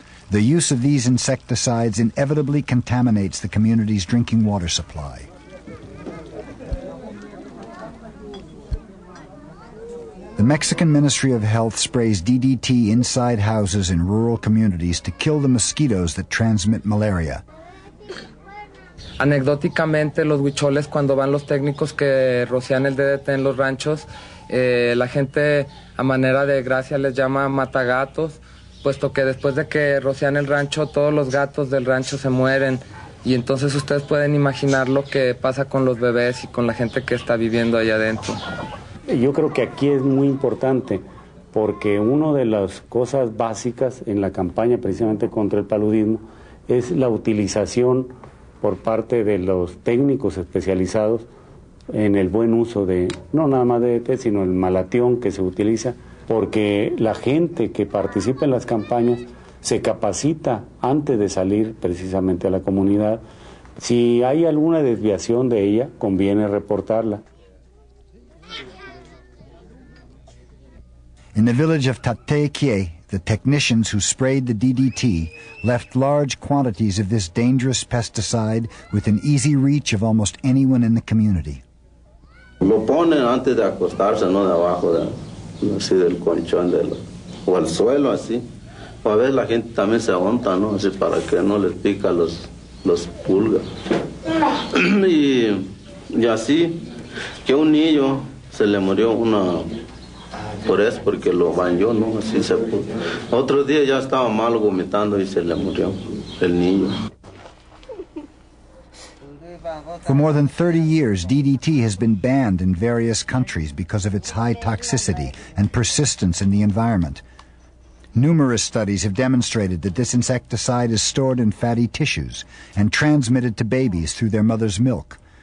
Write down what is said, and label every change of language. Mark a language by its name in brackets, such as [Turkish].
[English] The use of these insecticides inevitably contaminates the community's drinking water supply. The Mexican Ministry of Health sprays DDT inside houses in rural communities to kill the mosquitoes that transmit malaria. [Spanish] Anecdóticamente, los huicholes, cuando van los técnicos que rocian el DDT en los ranchos, la gente a manera de gracia les llama matagatos, puesto que después de que rocian el rancho, todos los gatos del rancho se mueren. Y entonces ustedes pueden imaginar lo que pasa con los bebés y con la gente que está viviendo allá adentro. Yo creo que aquí es muy importante, porque una de las cosas básicas en la campaña precisamente contra el paludismo es la utilización por parte de los técnicos especializados en el buen uso de, no nada más de DDT, sino el malatión que se utiliza, porque la gente que participa en las campañas se capacita antes de salir precisamente a la comunidad. Si hay alguna desviación de ella, conviene reportarla. [English] In the village of Tatequie, the technicians who sprayed the DDT left large quantities of this dangerous pesticide within easy reach of almost anyone in the community. [Spanish] Lo ponen antes de acostarse, no debajo de, así del colchón de lo, o al suelo así. O a veces la gente también se aguanta, ¿no? Así para que no les pica los pulgas. Y así que un niño se le murió una. Por eso, porque lo bañó, ¿no? Así se pudo. Otro día ya estaba malo vomitando y se le murió el niño. [English] For more than 30 years, DDT has been banned in various countries because of its high toxicity and persistence in the environment. Numerous studies have demonstrated that this insecticide is stored in fatty tissues and transmitted to babies through their mother's milk.